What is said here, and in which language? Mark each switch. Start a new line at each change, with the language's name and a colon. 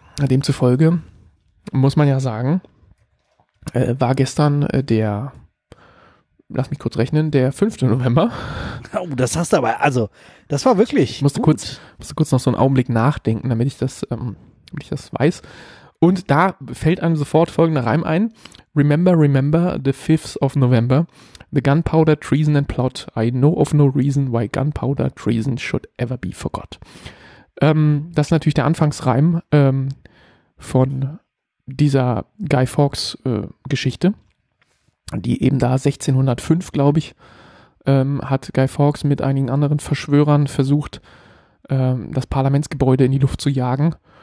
German: Demzufolge muss man ja sagen, war gestern der, lass mich kurz rechnen, der 5. November. Oh, das hast du aber, also, das war wirklich. Ich musste kurz noch so einen Augenblick nachdenken, damit ich das weiß. Und da fällt einem sofort folgender Reim ein:
English: Remember, remember the 5th of November. The gunpowder, treason and plot. I know of no reason why gunpowder, treason should ever be forgot.
German: Das ist natürlich der Anfangsreim von dieser Guy Fawkes Geschichte, die eben da 1605, glaube ich, hat Guy Fawkes mit einigen anderen Verschwörern versucht, das Parlamentsgebäude in die Luft zu jagen.